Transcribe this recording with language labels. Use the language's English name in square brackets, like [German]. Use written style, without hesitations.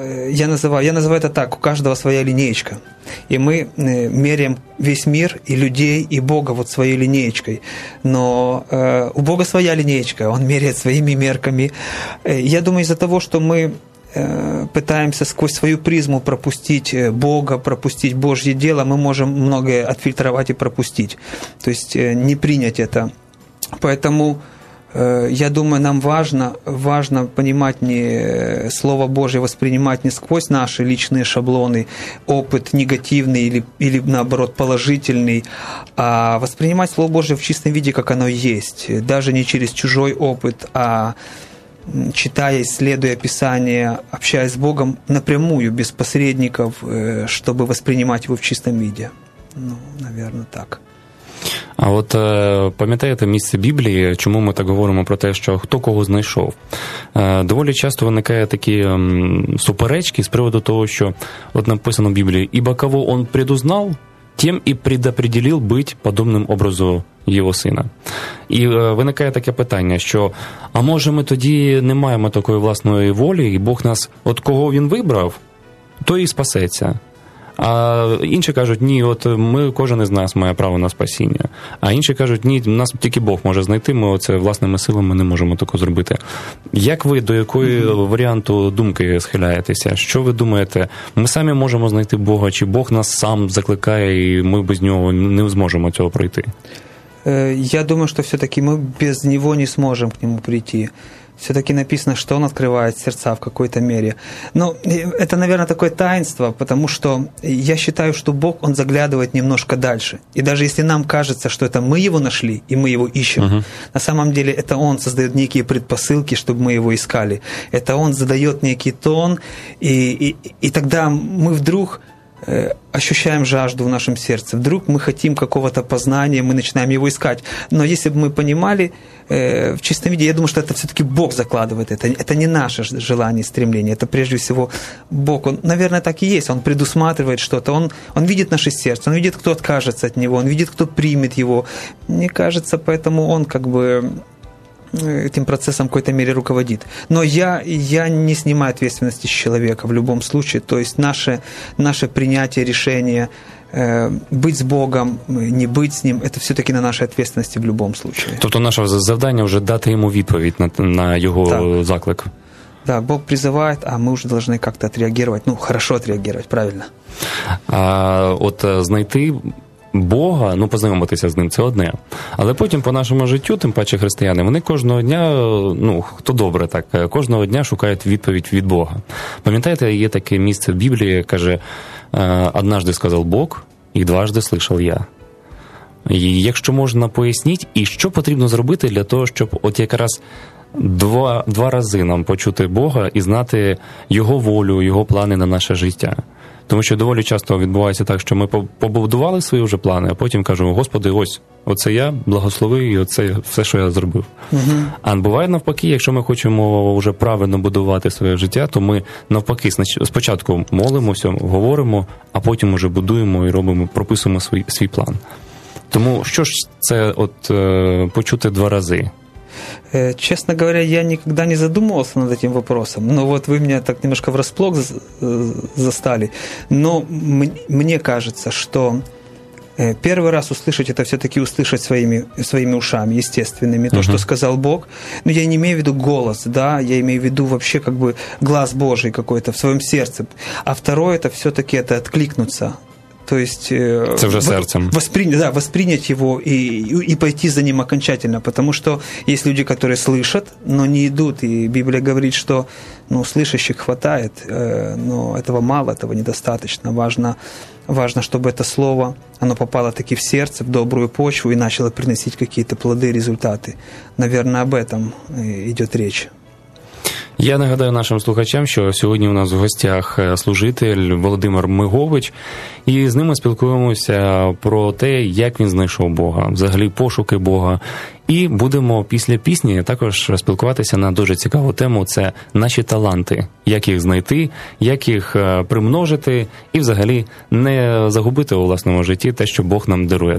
[Ukrainian] Я називаю це так, у кожного своя лінієчка. І ми міряємо весь мир, і людей, і Бога от своєю лінієчкою. Но у Бога своя лінієчка, Он міряє своїми мерками. [Russian] Я думаю, [Ukrainian] із-за того, що ми [Russian] пытаемся сквозь свою призму пропустить Бога, пропустить Божье дело, мы можем многое отфильтровать и пропустить. То есть не принять это. Поэтому я думаю, нам важно понимать не Слово Божье, воспринимать не сквозь наши личные шаблоны, опыт негативный или наоборот положительный, а воспринимать Слово Божье в чистом виде, как оно есть. Даже не через чужой опыт, а читая, исследуя Писание, общаясь с Богом напрямую, без посредников, чтобы воспринимать его в чистом виде. Ну, наверное, так. [Ukrainian] А от пам'ятаєте місце Біблії, чому ми так говоримо про те, що хто кого знайшов? Доволі часто виникає такі суперечки з приводу того, що от написано в Біблії, [Russian] «Ібо кого он предузнал, тем и предопределил быть подобным образу его сына». [Ukrainian] І виникає таке питання, що а може ми тоді не маємо такої власної волі, і Бог нас, от кого він вибрав, той і спасеться. А інші кажуть, ні, от ми, кожен із нас має право на спасіння. А інші кажуть, ні, нас тільки Бог може знайти, ми оце власними силами не можемо такого зробити. Як ви до якої варіанту думки схиляєтеся? Що ви думаєте, ми самі можемо знайти Бога, чи Бог нас сам закликає, і ми без нього не зможемо цього пройти? Я думаю, що все-таки ми без нього не зможемо к нему прийти. [Russian] Все-таки написано, что он открывает сердца в какой-то мере. Но это, наверное, такое таинство, потому что я считаю, что Бог, он заглядывает немножко дальше. И даже если нам кажется, что это мы его нашли, и мы его ищем, на самом деле это он создает некие предпосылки, чтобы мы его искали. Это он задает некий тон, и тогда мы вдруг ощущаем жажду в нашем сердце. Вдруг мы хотим какого-то познания, мы начинаем его искать. Но если бы мы понимали в чистом виде, я думаю, что это все-таки Бог закладывает это. Это не наше желание и стремление. Это прежде всего Бог. Он, наверное, так и есть. Он предусматривает что-то. Он видит наше сердце. Он видит, кто откажется от него. Он видит, кто примет его. Мне кажется, поэтому он как бы этим процессом в какой-то мере руководит. Но я не снимаю ответственности с человека в любом случае. То есть наше принятие решения быть с Богом, не быть с Ним, это все-таки на нашей ответственности в любом случае. [Ukrainian] Тобто наше завдання уже дати ему відповідь на его заклик. [Russian] Да, Бог призывает, а мы уже должны как-то отреагировать. Ну, хорошо отреагировать, правильно. [Ukrainian] А от знайти Бога, ну, познайомитися з ним, це одне. Але потім по нашому життю, тим паче християни, вони кожного дня, ну, хто добре так, кожного дня шукають відповідь від Бога. Пам'ятаєте, є таке місце в Біблії, каже, однажды сказав Бог, і дважды слышал я. І якщо можна пояснити, і що потрібно зробити для того, щоб от якраз два рази нам почути Бога і знати його волю, його плани на наше життя? Тому що доволі часто відбувається так, що ми побудували свої вже плани, а потім кажу: Господи, ось, оце я благословив і оце все, що я зробив. Uh-huh. А буває навпаки, якщо ми хочемо вже правильно будувати своє життя, то ми навпаки спочатку молимося, говоримо, а потім уже будуємо і робимо, прописуємо свій план. Тому що ж це от почути два рази? [Russian] Честно говоря, я никогда не задумывался над этим вопросом, но вот вы меня так немножко врасплох застали. Но мне кажется, что первый раз услышать, это все-таки услышать своими ушами, естественными, то, что сказал Бог. Но я не имею в виду голос, да, я имею в виду вообще как бы глаз Божий какой-то в своем сердце. А второе, это все-таки это откликнуться. То есть, это уже сердцем. Воспринять его и пойти за ним окончательно. Потому что есть люди, которые слышат, но не идут. И Библия говорит, что слышащих хватает, но этого мало, этого недостаточно. Важно, чтобы это слово, оно попало таки в сердце, в добрую почву и начало приносить какие-то плоды, результаты. Наверное, об этом идет речь. [Ukrainian] Я нагадаю нашим слухачам, що сьогодні у нас в гостях служитель Володимир Мигович, і з ними спілкуємося про те, як він знайшов Бога, взагалі пошуки Бога. І будемо після пісні також спілкуватися на дуже цікаву тему – це наші таланти, як їх знайти, як їх примножити і взагалі не загубити у власному житті те, що Бог нам дарує.